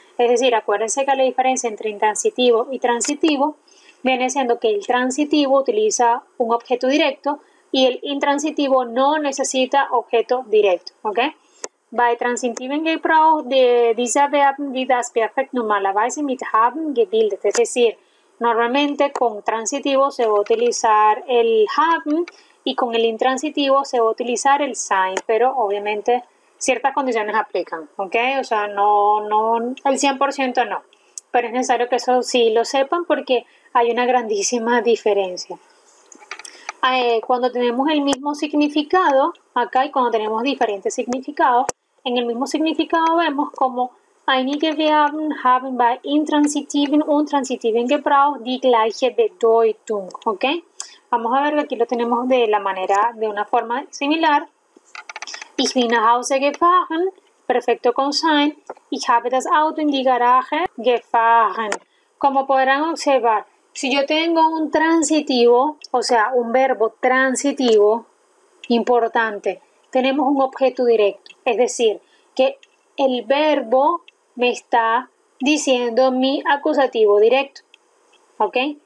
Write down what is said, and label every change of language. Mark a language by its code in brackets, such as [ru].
[es] Es decir, acuérdense que la diferencia entre intransitivo y transitivo viene siendo que el transitivo utiliza un objeto directo y el intransitivo no necesita objeto directo, ¿ok? [de] Bei transitiven Gebrauch dieser Verben wird das Perfekt normalerweise mit haben gebildet. [es] Es decir, normalmente con transitivo se va a utilizar el haben y con el intransitivo se va a utilizar el sein, pero obviamente ciertas condiciones aplican, ¿ok? O sea, no el 100% no, pero es necesario que eso sí lo sepan porque hay una grandísima diferencia. Cuando tenemos el mismo significado, acá, y cuando tenemos diferentes significados, en el mismo significado vemos como [de] einige Verben haben bei intransitiven und transitiven Gebrauch die gleiche Bedeutung, [es] ¿ok? Vamos a ver, aquí lo tenemos de la manera, de una forma similar. [de] Ich bin nach Hause gefahren, [es] perfecto con sein. [de] Ich habe das Auto in die Garage gefahren. [es] Como podrán observar, si yo tengo un transitivo, o sea, un verbo transitivo, importante, tenemos un objeto directo. Es decir, que el verbo me está diciendo mi acusativo directo. ¿Ok?